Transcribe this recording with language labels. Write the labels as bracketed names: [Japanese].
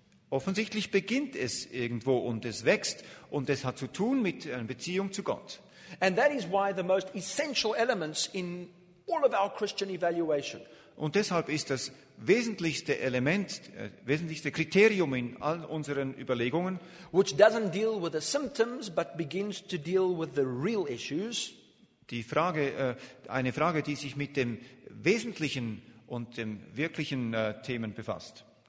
[German] Offensichtlich beginnt es irgendwo und es wächst und es hat zu tun mit einer Beziehung zu Gott. [English] And that is why the most essential elements in all of our Christian evaluation. [German] Und deshalb ist das wesentlichste Element, wesentlichste Kriterium in all unseren Überlegungen, [English] which doesn't deal with the symptoms but begins to deal with the real issues. [German] Die Frage, eine Frage, die sich mit dem Wesentlichen und dem wirklichen Themen befasst.